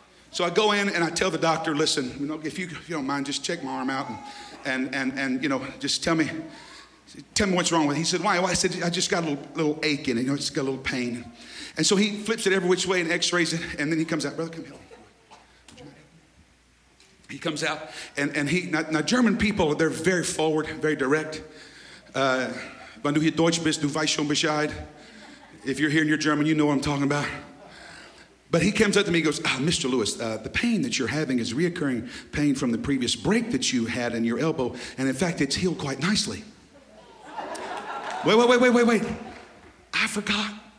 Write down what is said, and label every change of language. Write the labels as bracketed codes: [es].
[en] So I go in and I tell the doctor, listen, you know, if you don't mind, just check my arm out and you know, just tell me what's wrong with it. He said, why? Well, I said, I just got a little ache in it. You know, I just got a little pain. And so he flips it every which way and x-rays it. And then he comes out. Brother, come here. He comes out. And he, now German people, they're very forward, very direct. [de] Wenn du hier Deutsch bist, du weißt schon Bescheid. [en] If you're here and you're German, you know what I'm talking about. But he comes up to me and goes, ah, Mr. Lewis, the pain that you're having is reoccurring pain from the previous break that you had in your elbow. And in fact, it's healed quite nicely. Wait. I forgot.